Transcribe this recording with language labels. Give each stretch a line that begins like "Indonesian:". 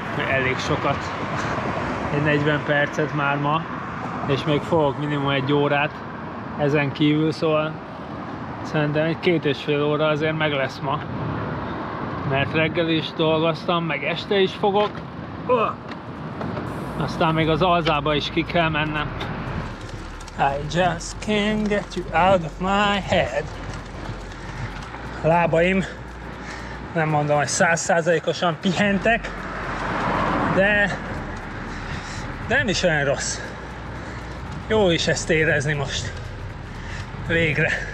Hungarian: Elég sokat, egy 40 percet már ma, és még fogok minimum egy órát ezen kívül, szóval szerintem egy 2,5 óra azért meg lesz ma, mert reggel is dolgoztam, meg este is fogok, aztán még az alzába is ki kell mennem.
English: I just can't get you out of my head.
Hungarian: Lábaim, nem mondom, hogy 100%-osan pihentek, De nem is olyan rossz. Jó is ezt érezni most. Végre.